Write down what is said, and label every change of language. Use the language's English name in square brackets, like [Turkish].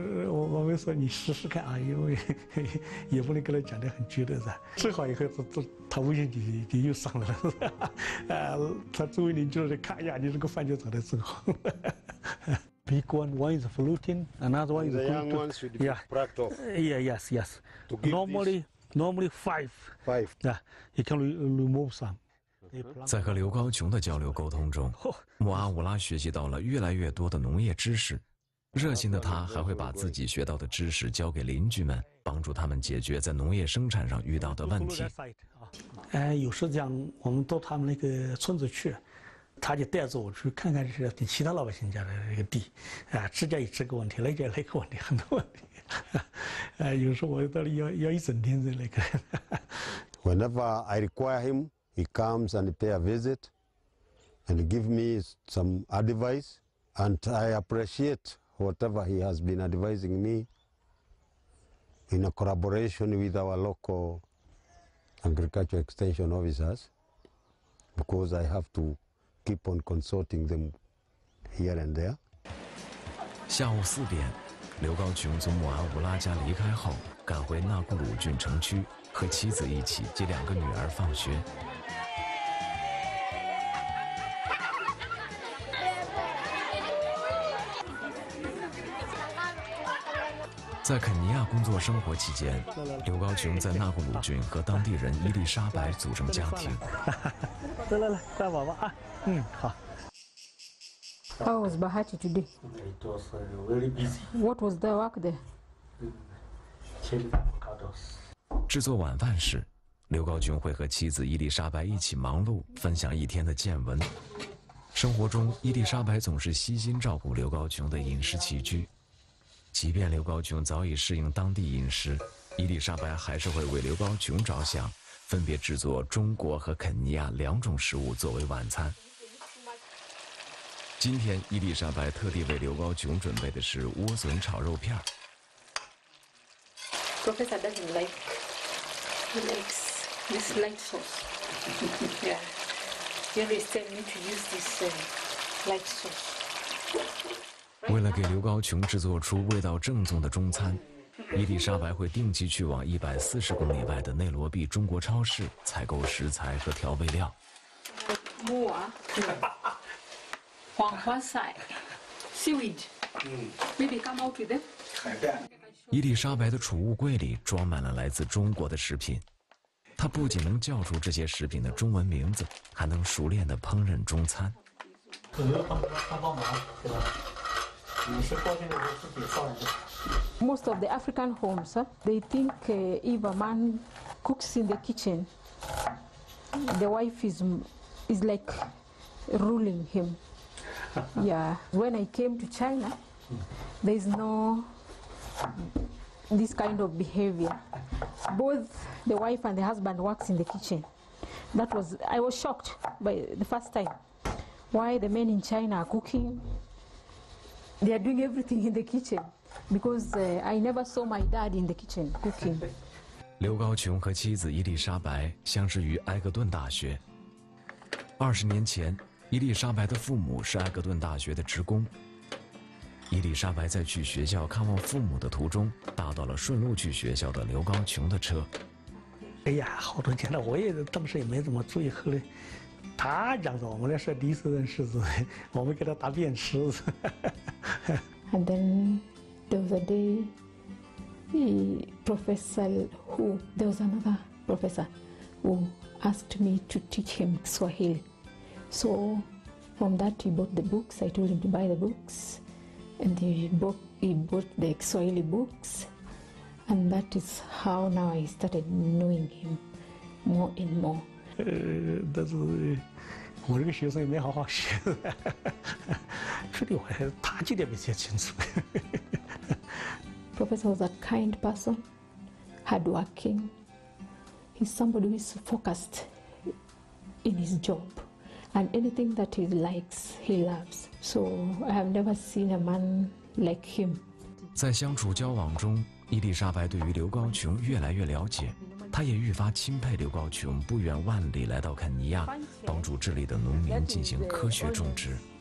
[Chinese] 我们说你试试看啊，因为也不能跟他讲得很绝对噻。治好以后，他微信就又上来了。他周围邻居就看一下你这个番茄长得真好。 [English] Big one, one is fluting, another one is good. The young ones should be cracked off. Yes. Normally five. Yeah, you can remove some. [Chinese] 在和刘高琼的交流沟通中，穆阿武拉学习到了越来越多的农业知识。热心的他还会把自己学到的知识交给邻居们，帮助他们解决在农业生产上遇到的问题。有时讲我们到他们那个村子去。他就带着我去看看这些其他老百姓家的那个地，啊，这家有这个问题，那家那个问题，很多问题，有时候我到了要一整天在那个。 [English] Whenever I require him, he comes and pay a visit, and give me some advice, and I appreciate whatever he has been advising me. In a collaboration with our local agriculture extension officers, because I have to. Keep on consulting them here and there. [Chinese] 下午4点，刘高琼从穆阿武拉家离开后，赶回纳库鲁郡城区，和妻子一起接2个女儿放学。在肯尼亚工作生活期间，刘高琼在纳库鲁郡和当地人伊丽莎白组成家庭。来来来，乖宝宝啊！ [English] 嗯，好。How was Bahati today? It was very busy. What was the work there? Chili avocados. [Chinese] 制作晚饭时，刘高琼会和妻子伊丽莎白一起忙碌，分享一天的见闻。生活中，伊丽莎白总是悉心照顾刘高琼的饮食起居。即便刘高琼早已适应当地饮食，伊丽莎白还是会为刘高琼着想。分别制作中国和肯尼亚2种食物作为晚餐。今天伊丽莎白特地为刘高琼准备的是莴笋炒肉片。 [English] Professor doesn't like, he likes this light sauce. Yeah, he always tell me to use this light sauce. [Chinese] 为了给刘高琼制作出味道正宗的中餐。伊丽莎白会定期去往140公里外的内罗毕中国超市采购食材和调味料。 [English] 木耳、黄花菜、seaweed， maybe come out with them。 [Chinese] 伊丽莎白的储物柜里装满了来自中国的食品，她不仅能叫出这些食品的中文名字，还能熟练地烹饪中餐。可能很多人看到吗？是吧？你是过去的时候自己烧的。 [English] Most of the African homes, they think if a man cooks in the kitchen, the wife is like ruling him. Yeah. When I came to China, there is no this kind of behavior. Both the wife and the husband works in the kitchen. That was, I was shocked by the first time why the men in China are cooking. They are doing everything in the kitchen because I never saw my dad in the kitchen cooking. [Chinese] 刘高琼和妻子伊丽莎白相识于埃克顿大学。 20年前，伊丽莎白的父母是埃克顿大学的职工。伊丽莎白在去学校看望父母的途中，搭到了顺路去学校的刘高琼的车。哎呀，好多年了，我也当时也没怎么注意。后来他讲的，我们那是第一次认识的，我们给他打便池子。 [English] And then there was a day, the professor who there was another professor who asked me to teach him Swahili. So from that he bought the books. I told him to buy the books. And he bought the Swahili books, and that is how now I started knowing him more and more. [Chinese] 但是，我这个学生也没好好学，说的我还他记得比较清楚。 [English] Professor was a kind person, hardworking. He's somebody who is focused in his job, and anything that he likes, he loves. So I have never seen a man like him. [Chinese] 在相处交往中，伊丽莎白对于刘高琼越来越了解，她也愈发钦佩刘高琼不远万里来到肯尼亚，帮助这里的农民进行科学种植。